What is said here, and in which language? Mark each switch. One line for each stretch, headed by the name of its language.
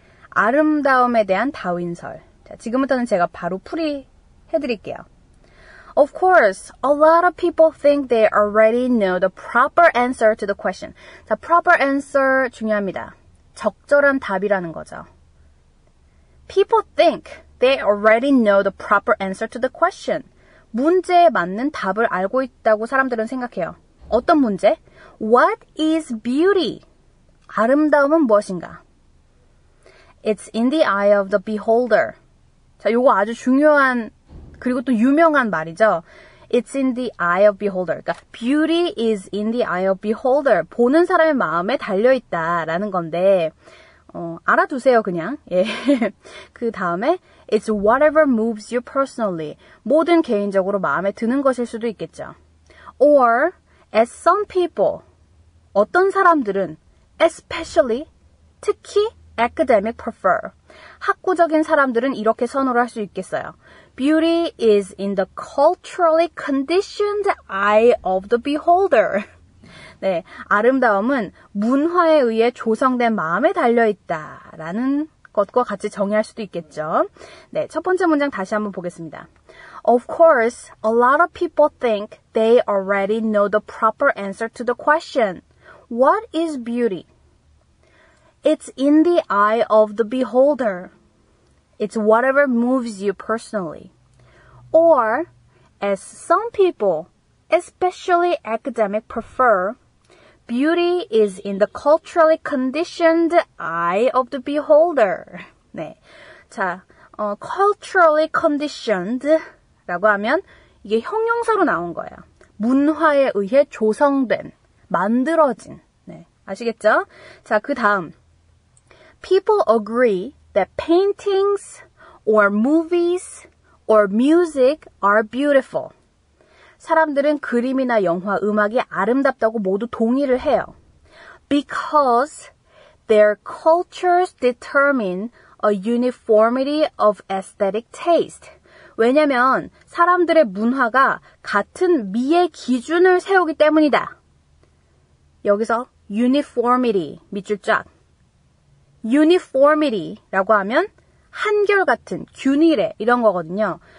Korean: 아름다움에 대한 다윈설. 자, 지금부터는 제가 바로 풀이 해드릴게요.
English: Of course, a lot of people think they already know the proper answer to the question.
Korean: 자, proper answer 중요합니다. 적절한 답이라는 거죠.
English: People think they already know the proper answer to the question.
Korean: 문제에 맞는 답을 알고 있다고 사람들은 생각해요. 어떤 문제?
English: What is beauty?
Korean: 아름다움은 무엇인가?
English: It's in the eye of the beholder.
Korean: 자, 요거 아주 중요한 그리고 또 유명한 말이죠.
English: It's in the eye of beholder.
Korean: 그러니까
English: beauty is in the eye of beholder.
Korean: 보는 사람의 마음에 달려있다라는 건데 알아두세요 그냥. 예. 그 다음에
English: It's whatever moves you personally.
Korean: 모든 개인적으로 마음에 드는 것일 수도 있겠죠.
English: Or as some people.
Korean: 어떤 사람들은
English: especially
Korean: 특히
English: academic prefer.
Korean: 학구적인 사람들은 이렇게 선호를 할 수 있겠어요.
English: Beauty is in the culturally conditioned eye of the beholder.
Korean: 네, 아름다움은 문화에 의해 조성된 마음에 달려있다라는 것과 같이 정의할 수도 있겠죠. 네, 첫 번째 문장 다시 한번 보겠습니다.
English: Of course, a lot of people think they already know the proper answer to the question. What is beauty? It's in the eye of the beholder. It's whatever moves you personally. Or, as some people, especially academic, prefer, beauty is in the culturally conditioned eye of the beholder.
Korean: 네. 자, culturally conditioned 라고 하면 이게 형용사로 나온 거예요. 문화에 의해 조성된, 만들어진. 네. 아시겠죠? 자, 그 다음.
English: People agree that paintings, or movies, or music are beautiful.
Korean: 사람들은 그림이나 영화, 음악이 아름답다고 모두 동의를 해요.
English: Because their cultures determine a uniformity of aesthetic taste.
Korean: 왜냐면 사람들의 문화가 같은 미의 기준을 세우기 때문이다. 여기서 uniformity 밑줄 쫙. uniformity 라고 하면 한결같은 균일해 이런 거거든요.